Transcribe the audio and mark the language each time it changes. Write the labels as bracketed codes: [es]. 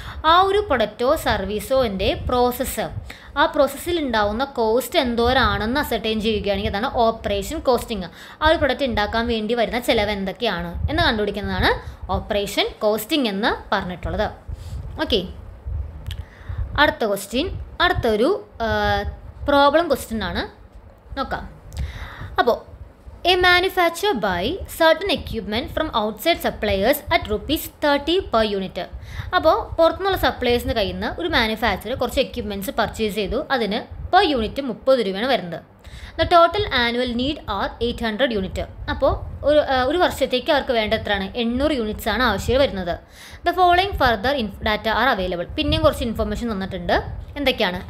[ml] ആ ഒരു പ്രൊഡക്റ്റോ സർവീസോ എൻ്റെ പ്രോസസ്സ്, ആ പ്രോസസ്സിൽ ഉണ്ടാവുന്ന കോസ്റ്റ് എന്തോരാണെന്ന് അസർട്ടൈൻ ചെയ്യുകയാണെങ്കിൽ അതാണ് ഓപ്പറേഷൻ കോസ്റ്റിംഗ്. ആ ഒരു പ്രൊഡക്റ്റ് ഉണ്ടാക്കാൻ വേണ്ടി വരുന്ന ചിലവ് എന്തൊക്കെയാണ് എന്ന് കണ്ടുപിടിക്കുന്നതാണ് ഓപ്പറേഷൻ കോസ്റ്റിംഗ് എന്ന് പറഞ്ഞിട്ടുള്ളത്. ഓക്കെ, അടുത്ത ക്വസ്റ്റ്യൻ, അടുത്തൊരു പ്രോബ്ലം ക്വസ്റ്റ്യൻ ആണ് നോക്കാം. അപ്പോൾ [en] A manufacturer buys certain equipment from outside suppliers at ₹30 per unit. [ml] അപ്പോൾ പുറത്തുനിന്നുള്ള സപ്ലയേഴ്സിൻ്റെ കയ്യിൽ നിന്ന് ഒരു മാനുഫാക്ചറർ കുറച്ച് എക്യുപ്മെൻറ്റ്സ് പർച്ചേസ് ചെയ്തു, അതിന് പെർ യൂണിറ്റ് 30 രൂപയാണ് വരുന്നത്. [en] The total annual need are 800 unit. [ml] അപ്പോൾ ഒരു ഒരു വർഷത്തേക്ക് അവർക്ക് വേണ്ട എത്രയാണ്, 800 യൂണിറ്റ്സ് ആണ് ആവശ്യം വരുന്നത്. [en] The following further data are available. [ml] പിന്നെയും കുറച്ച് ഇൻഫർമേഷൻ തന്നിട്ടുണ്ട്. എന്തൊക്കെയാണ്?